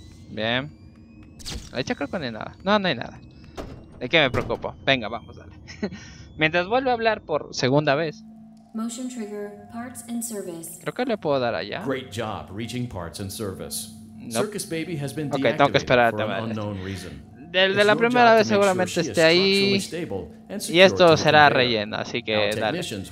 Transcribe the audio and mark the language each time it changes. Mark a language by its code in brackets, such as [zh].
[es] Bien. ¿Hay chacarco? No hay nada. No, no hay nada. ¿De qué me preocupo? Venga, vamos, dale. Mientras vuelve a hablar por segunda vez. [en] Motion trigger, parts and service. [es] Creo que le puedo dar allá. [en] Great job reaching parts and service. Nope. Circus Baby has been deactivated. [es] Okay, tengo que esperar a ver. De la primera vez seguramente esté ahí. Y esto será relleno, así que dale.